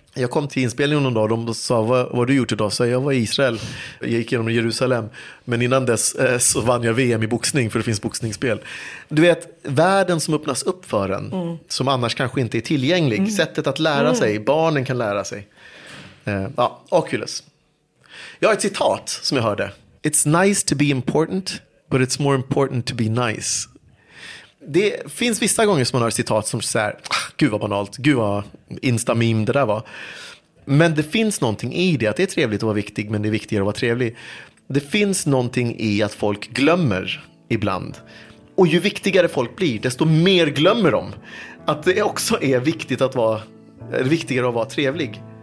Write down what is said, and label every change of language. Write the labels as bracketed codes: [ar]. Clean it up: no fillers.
[sv] Jag kom till inspelningen någon dag och de sa, vad har du gjort idag? Så jag var i Israel, jag gick genom Jerusalem. Men innan dess så vann jag VM i boxning, för det finns boxningsspel. Du vet, världen som öppnas upp för en, som annars kanske inte är tillgänglig. Sättet att lära sig, barnen kan lära sig. Ja, Oculus. Jag har ett citat som jag hörde. [en] It's nice to be important, but it's more important to be nice. [sv] Det finns vissa gånger som man har citat som så här, gud vad banalt, gud vad insta-meme det där var. Men det finns någonting i det, att det är trevligt att vara viktig, men det är viktigare att vara trevlig. Det finns någonting i att folk glömmer ibland. Och ju viktigare folk blir, desto mer glömmer de. Att det också är viktigt att vara, viktigare att vara trevlig.